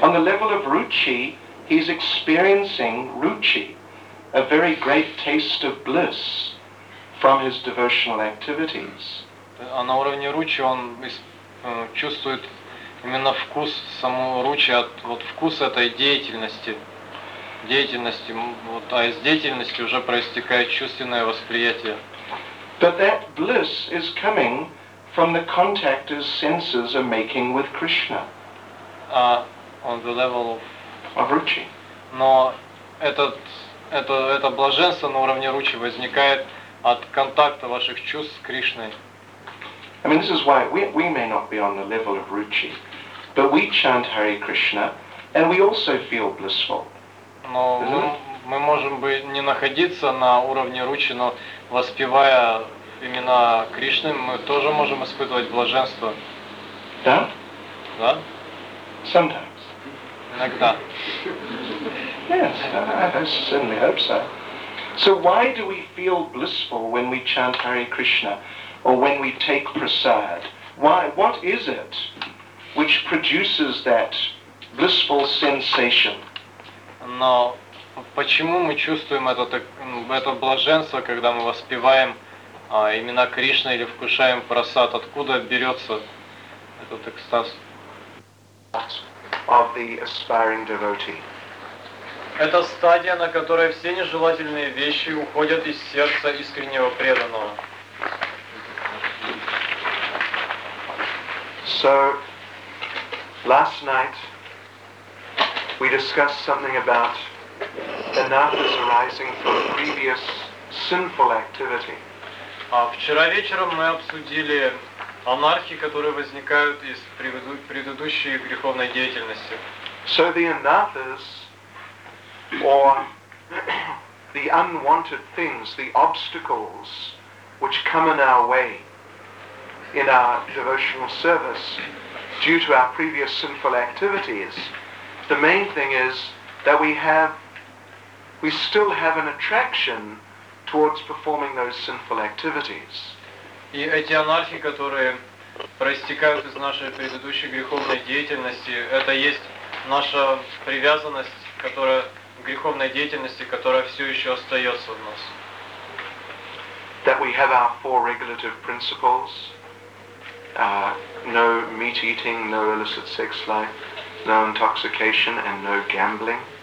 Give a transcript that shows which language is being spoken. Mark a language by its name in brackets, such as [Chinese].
[English] On the level of ruchi, he's experiencing ruchi, a very great taste of bliss from his devotional activities. [Russian] А на уровне Ручи он чувствует именно вкус самого Ручи, вот вкус этой деятельности, вот, а из деятельности уже проистекает чувственное восприятие. [English] But that bliss is coming from the contact his senses are making with Krishna. On the level of Ruchi. [Russian] Но это блаженство на уровне Ручи возникает от контакта ваших чувств с Кришной. [English] I mean, this is why we may not be on the level of Ruchi, but we chant Hare Krishna, and we also feel blissful. [Russian] Но мы можем бы не находиться на уровне Ручи, но воспевая имена Кришны, мы тоже можем испытывать блаженство. Да? Да. [English] Sometimes. [Russian] Иногда. [English] Yes, I certainly hope so. So why do we feel blissful when we chant Hare Krishna or when we take prasad? Why? What is it which produces that blissful sensation? [Russian] Но почему мы чувствуем это блаженство, когда мы воспеваем имена Кришны или вкушаем прасад? Откуда берется этот экстаз? [English] Of the aspiring devotee. [Russian] Это стадия, на которой все нежелательные вещи уходят из сердца искреннего преданного. [English] So, last night we discussed something about anathas arising from previous sinful activity. [Russian] Вчера вечером мы обсудили анархи, которые возникают из предыдущей греховной деятельности. [English] So the anathas, or the unwanted things, the obstacles which come in our way in our devotional service due to our previous sinful activities, the main thing is that we still have an attraction towards performing those sinful activities. [Russian] И эти анархи, которые проистекают из нашей предыдущей греховной деятельности, это есть наша привязанность, которая к греховной деятельности, которая все еще остается в нас. [English] That we have our four regulative principles. No meat eating, no illicit sex life, no intoxication and no gambling.